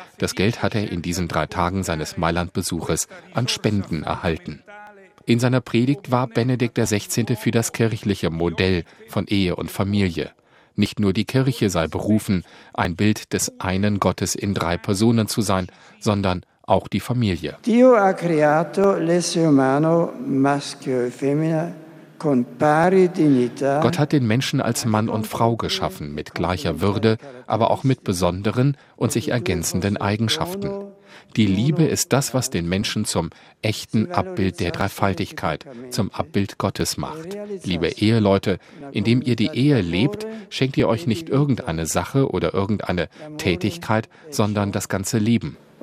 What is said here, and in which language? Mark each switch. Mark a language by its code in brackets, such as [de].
[de] Das Geld hat er in diesen 3 Tagen seines Mailand-Besuches an Spenden erhalten. In seiner Predigt war Benedikt XVI. Für das kirchliche Modell von Ehe und Familie. Nicht nur die Kirche sei berufen, ein Bild des einen Gottes in 3 Personen zu sein, sondern auch die Familie. [it] Dio ha creato l'essere umano maschio e femmina con pari dignità. [de] Gott hat den Menschen als Mann und Frau geschaffen, mit gleicher Würde, aber auch mit besonderen und sich ergänzenden Eigenschaften. Die Liebe ist das, was den Menschen zum echten Abbild der Dreifaltigkeit, zum Abbild Gottes macht. Liebe Eheleute, indem ihr die Ehe lebt, schenkt ihr euch nicht irgendeine Sache oder irgendeine Tätigkeit, sondern das ganze Leben.